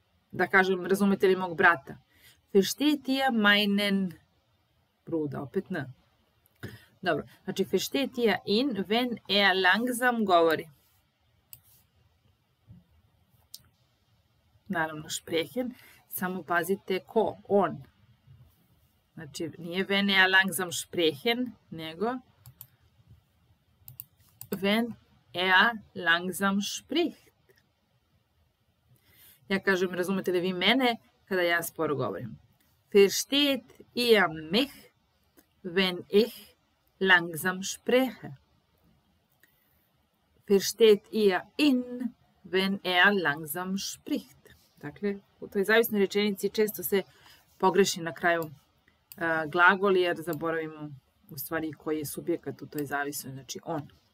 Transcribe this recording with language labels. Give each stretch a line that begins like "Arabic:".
Serbian: Da kažem, razumete li mog brata?
German: Versteht ihr meinen Bruder?
Serbian: Opet n. Dobro, znači
German: versteht ihr ihn, wenn langsam
Serbian: govori. Naravno, sprechen, samo pazite ko, on. Znači, nije
German: wenn langsam sprechen,
Serbian: nego
German: wenn langsam spricht.
Serbian: Ja kažem, razumete li vi mene kada ja sporo govorim?
German: Versteht ihr mich, wenn langsam spreche. Versteht ihr ihn, wenn langsam spricht.
Serbian: Dakle, u toj zavisnoj rečenici često se pogreši na kraju glagol, jer zaboravimo u stvari koji je subjekat u toj zavisnoj, znači on.